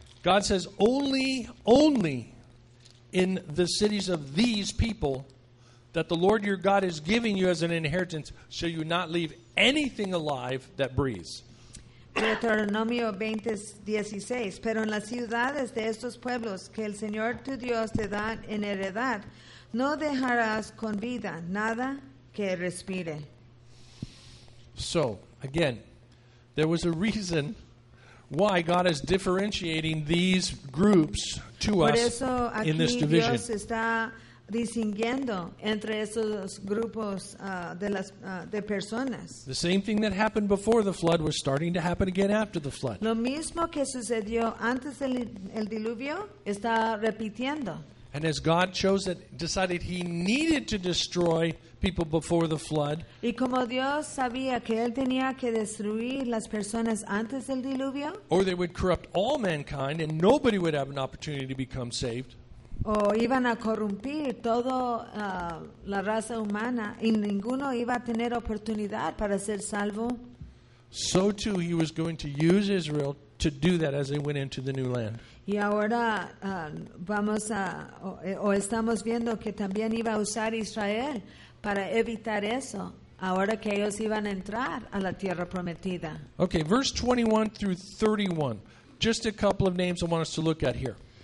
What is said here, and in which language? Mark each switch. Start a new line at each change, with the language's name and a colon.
English: God says, only in the cities of these people that the Lord your God is giving you as an inheritance shall you not leave anything alive that breathes.
Spanish: Deuteronomio 20:16. Pero en las ciudades de estos pueblos que el Señor tu Dios te da en heredad, no dejarás con vida nada que respire.
English: So, again, there was a reason why God is differentiating these groups to
Spanish: Por
English: us
Spanish: eso, aquí
English: in this division.
Spanish: Dios está distinguiendo entre esos grupos de personas.
English: The same thing that happened before the flood was starting to happen again after the flood.
Spanish: Lo mismo que sucedió antes del diluvio está repitiendo.
English: And as God chose it, decided he needed to destroy people before the flood.
Spanish: Y como Dios sabía que él tenía que destruir las personas antes del diluvio.
English: Or they would corrupt all mankind and nobody would have an opportunity to become saved.
Spanish: O iban a corrompir toda la raza humana y ninguno iba a tener oportunidad para ser salvo.
English: So too he was going to use Israel to do that as they went into the new land.
Spanish: Y ahora vamos a o estamos viendo que también iba a usar Israel para evitar eso ahora que ellos iban a entrar a la tierra prometida.
English: Okay, verse 21 through 31. Just a couple of names I want us to look at here.